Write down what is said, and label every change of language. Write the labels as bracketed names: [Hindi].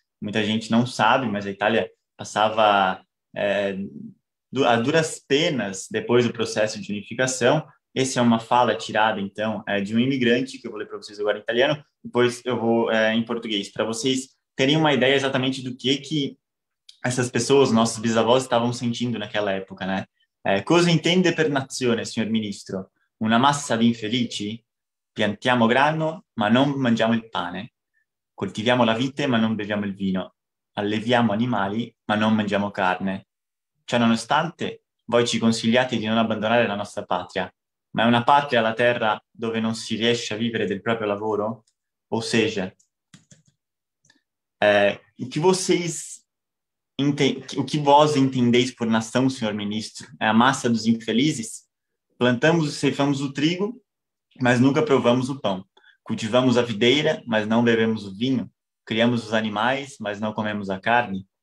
[Portuguese] Muita gente não sabe, mas a Itália passava a duras penas depois do processo de unificação. Essa é uma fala tirada, então, de um imigrante, que eu vou ler para vocês agora em italiano, depois eu vou em português, para vocês terem uma ideia exatamente do que essas pessoas, nossos bisavós, estavam sentindo naquela época, né? [Italian] Cosa intende per nazione, signor ministro? Una massa di infelici? Piantiamo grano, ma non mangiamo il pane. Coltiviamo la vite, ma non beviamo il vino. Alleviamo animali, ma non mangiamo carne. Ciononostante, voi ci consigliate di non abbandonare la nostra patria. Ma è una patria la terra dove non si riesce a vivere del proprio lavoro? [Portuguese] Ou seja, o que vós entendeis por nação, senhor ministro? É a massa dos infelizes? Plantamos e ceifamos o trigo, mas nunca provamos o pão. Cultivamos a videira, mas não bebemos o vinho. Criamos os animais, mas não comemos a carne.